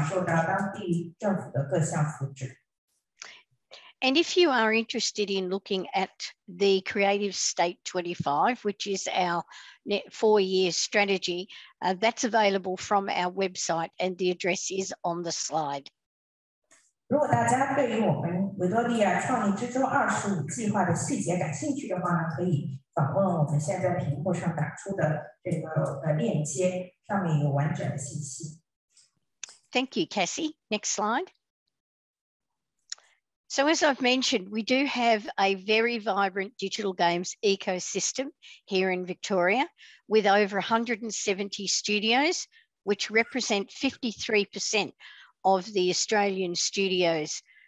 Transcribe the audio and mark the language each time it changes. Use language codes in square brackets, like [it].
[zh] 和帮助这些游戏产业的公司和一些工作室，在他们的爬坡期之后呢，能够抓住更多的机会。好像刚才电影局提到的，享受到当地政府的各项福祉。 [en] And if you are interested in looking at the Creative State 25, which is our 4-year strategy, that's available from our website and the address is on the slide. [zh] 如果大家对于我们维多利亚创意之中25计划的细节感兴趣的话呢，可以访问我们现在屏幕上打出的这个链接，上面有完整的信息。 [en] Thank you, Cassie. Next slide. So as I've mentioned, we do have a very vibrant digital games ecosystem here in Victoria with over 170 studios, which represent 53% of the Australian studios.